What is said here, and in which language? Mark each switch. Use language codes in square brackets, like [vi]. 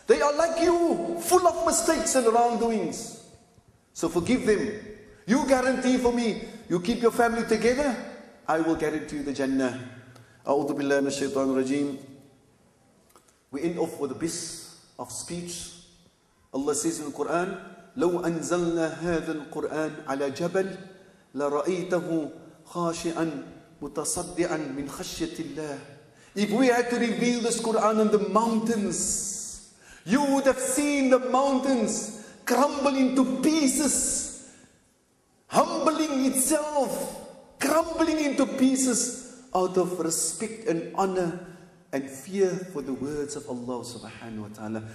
[en] They are like you, full of mistakes and wrongdoings. So forgive them. You guarantee for me, you keep your family together, I will guarantee you the Jannah. [ar] A'udhu billahi minash shaitan rajim. [en] We end off with a bit of speech. Allah says in the Quran, [ar] لو أنزلنا هذا القرآن على جبل لرأيته خاشعا متصدعا من خشية الله. [en] If we had to reveal this Quran on the mountains, you would have seen the mountains crumble into pieces, humbling itself, crumbling into pieces out of respect and honor and fear for the words of Allah subhanahu wa ta'ala.